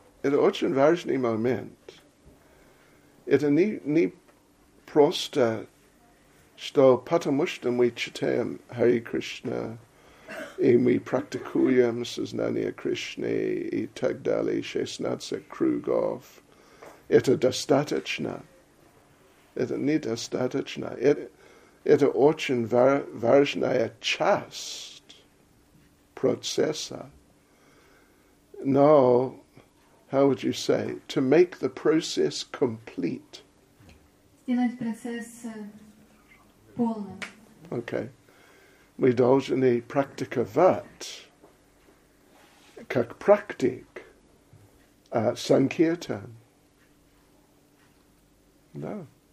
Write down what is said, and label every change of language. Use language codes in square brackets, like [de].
[ru] это очень важный момент. Это не просто, что потому что мы читаем Hare Krishna, и мы практикуем сознание Кришны, и так далее, 16 кругов, это достаточно. Это недостаточно. Это очень важная часть процесса. Но, [en] how would you say, to make the process complete. [ru] Сделать процесс полным. [en] Okay. [ru] Мы должны практиковать, как практик, санкиртан. Да.